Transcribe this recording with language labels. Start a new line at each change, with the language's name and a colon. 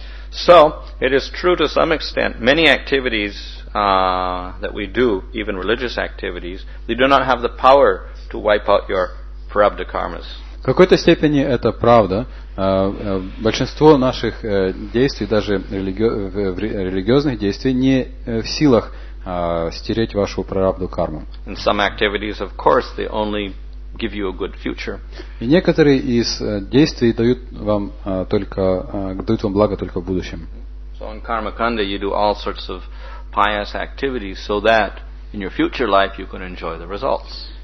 English: So, it is true to some extent, many activities that we do, even religious activities, they do not have the power to wipe out your prarabdha karmas.
Russian: В какой-то степени это правда. Большинство наших действий, даже религиозных действий, не в силах стереть вашу прарабдху карму.
English: In some activities, of course, they only give you a good future.
Russian: И некоторые из действий дают вам только дают вам благо только в будущем.
English: So in karma kanda you do all sorts of pious activities so that in your future life you can enjoy the results.